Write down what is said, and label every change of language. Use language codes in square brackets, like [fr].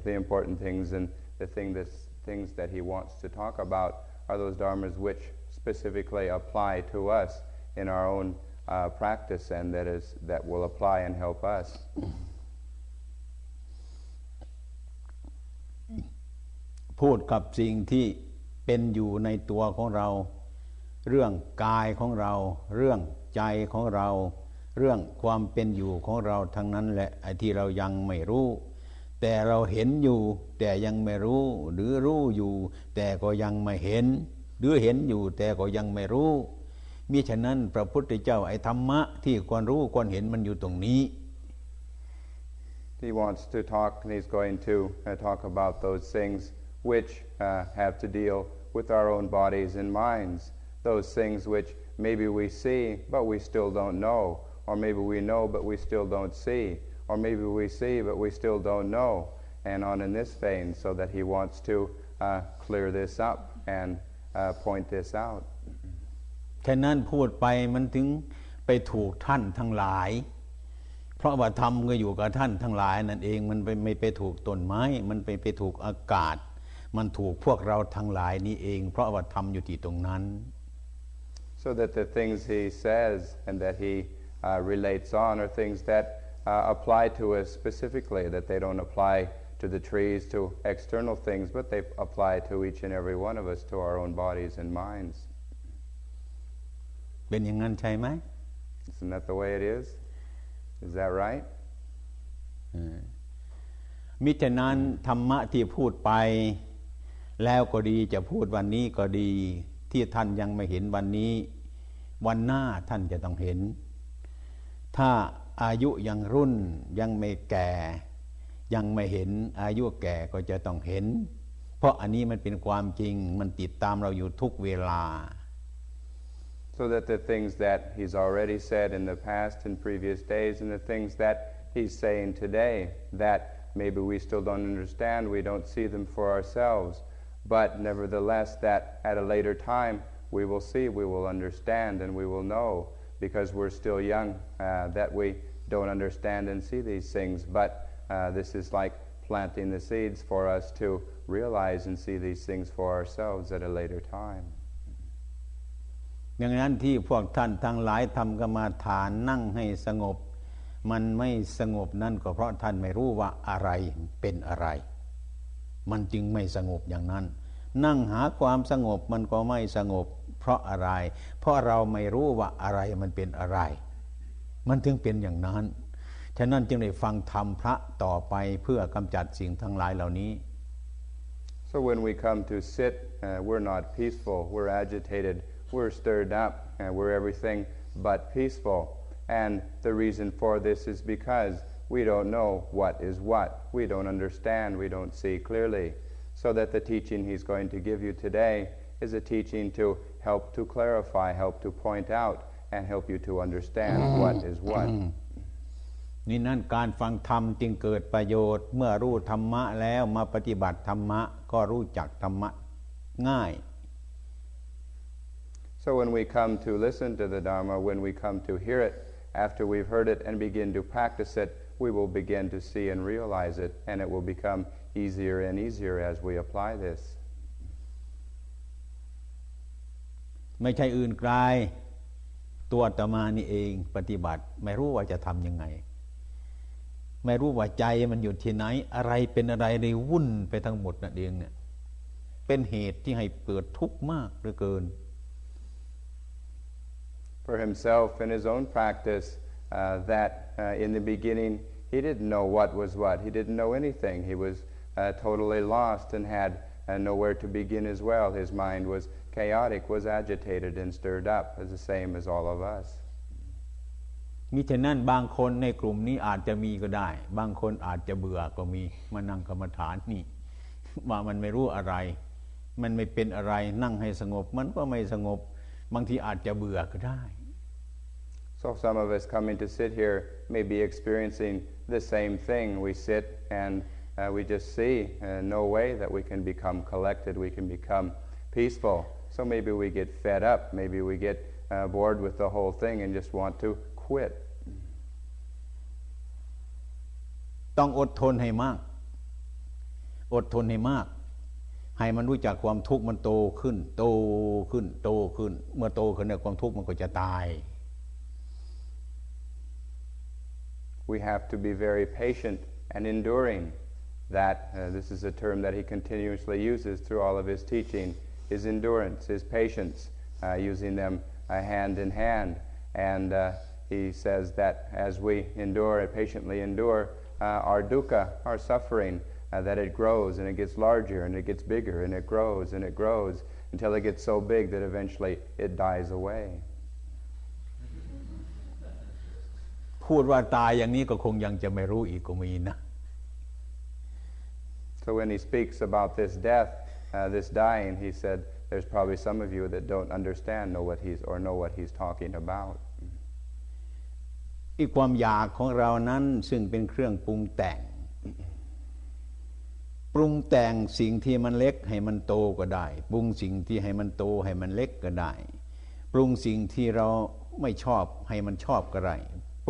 [en] The important things and the things that he wants to talk about are those dharmas which specifically apply to us in our own practice and that will apply and help us. [th] พูดกับสิ่งที่เป็นอยู่ในตัวของเราเรื่องกายของเราเรื่องใจของเราเรื่องความเป็นอยู่ของเราทั้งนั้นแหละไอ้ที่เรายังไม่รู้แต่เราเห็นอยู่แต่ยังไม่รู้หรือรู้อยู่แต่ก็ยังไม่เห็นหรือเห็นอยู่แต่ก็ยังไม่รู้มิฉะนั้นพระพุทธเจ้าไอ้ธรรมะที่ควรรู้ควรเห็นมันอยู่ตรงนี้ [en] He wants to talk and he's going to talk about those things whichhave to dealwith our own bodies and minds, those things which maybe we see but we still don't know, or maybe we know but we still don't see, or maybe we see but we still don't know, and on in this vein, so that he wants to clear this up and point this out. [th] ฉะนั้นพูดไปมันถึงไปถูกท่านทั้งหลาย พราะว่าธรรมก็อยู่กับท่านทั้งหลายนั่นเองมันไม่ไปถูกต้นไม้มันไปถูกอากาศมันถูกพวกเราทั้งหลายนี่เองเพราะว่าธรรมอยู่ที่ตรงนั้น [en] so that the things he says and that he relates on are things that apply to us specifically that they don't apply to the trees to external things but they apply to each and every one of us to our own bodies and minds [th] เป็นอย่างนั้นใช่ไหม [en] isn't that the way it isIs that right? [th] มิฉะนั้นธรรมะที่พูดไปแล้วก็ดีจะพูดวันนี้ก็ดีที่ท่านยังไม่เห็นวันนี้วันหน้าท่านจะต้องเห็นถ้าอายุยังรุ่นยังไม่แก่ยังไม่เห็นอายุแก่ก็จะต้องเห็นเพราะอันนี้มันเป็นความจริงมันติดตามเราอยู่ทุกเวลา [en] So that the things that he's already said in the past and previous days and the things that he's saying today that maybe we still don't understand, we don't see them for ourselves, but nevertheless that at a later time we will see, we will understand and we will know because we're still young that we don't understand and see these things, but this is like planting the seeds for us to realize and see these things for ourselves at a later time. [th] อย่างนั้นที่พวกท่านทั้งหลายทำกรรมฐานนั่งให้สงบมันไม่สงบนั่นก็เพราะท่านไม่รู้ว่าอะไรเป็นอะไรมันจึงไม่สงบอย่างนั้นนั่งหาความสงบมันก็ไม่สงบเพราะอะไรเพราะเราไม่รู้ว่าอะไรมันเป็นอะไรมันถึงเป็นอย่างนั้นฉะนั้นจึงได้ฟังธรรมพระต่อไปเพื่อกำจัดสิ่งทั้งหลายเหล่านี้ [en] So when we come to sit we're not peaceful we're agitatedWe're stirred up, and we're everything but peaceful. And the reason for this is because we don't know what is what. We don't understand. We don't see clearly. So that the teaching he's going to give you today is a teaching to help to clarify, help to point out, and help you to understand what is what. [th] นี่นั่นการฟังธรรมจึงเกิดประโยชน์เมื่อรู้ธรรมะแล้วมาปฏิบัติธรรมะก็รู้จักธรรมะง่าย [en] So when we come to listen to the Dharma, when we come to hear it, after we've heard it and begin to practice it, we will begin to see and realize it, and it will become easier and easier as we apply this. [th] ไม่ใช่อื่นไกลตัวอาตมานี่เองปฏิบัติไม่รู้ว่าจะทำยังไงไม่รู้ว่าใจมันอยู่ที่ไหนอะไรเป็นอะไรในวุ่นไปทั้งหมดนั่นเองเนี่ยเป็นเหตุที่ให้เกิดทุกข์มากเหลือเกิน [en] For himself in his own practice, that in the beginning he didn't know what was what. He didn't know anything. He was totally lost and had nowhere to begin as well. His mind was chaotic, was agitated and stirred up, as the same as all of us. [th] มิฉะนั้นบางคนในกลุ่มนี้อาจจะมีก็ได้บางคนอาจจะเบื่อก็มีมานั่งกรรมฐานนี่ว่ามันไม่รู้อะไรมันไม่เป็นอะไรนั่งให้สงบมันก็ไม่สงบบางทีอาจจะเบื่อก็ได้ [en] So some of us coming to sit here may be experiencing the same thing. We sit and we just see no way that we can become collected, we can become peaceful. So maybe we get fed up, maybe we get bored with the whole thing and just want to quit. [th] ต้องอดทนให้มากอดทนให้มากให้มันรู้จักความทุกข์มันโตขึ้นโตขึ้นโตขึ้นเมื่อโตขึ้นเนี่ยความทุกข์มันก็จะตาย [en] We have to be very patient and enduring that this is a term that he continuously uses through all of his teaching his endurance his patience using them hand in hand and he says that as we endure and patiently endure our dukkha our sufferingthat it grows and it gets larger and it gets bigger and it grows until it gets so big that eventually it dies away. [th] พูดว่าตายอย่างนี้ก็คงยังจะไม่รู้อีกก็มีนะ [en] So when he speaks about this death, this dying, he said, there's probably some of you that don't understand know what he's talking about. [th] อีกความอยากของเรานั้นซึ่งเป็นเครื่องปรุงแต่งปรุงแต่งสิ่งที่มันเล็กให้มันโตก็ได้ปรุงสิ่งที่ให้มันโตให้มันเล็กก็ได้ปรุงสิ่งที่เราไม่ชอบให้มันชอบก็ได้ปรุ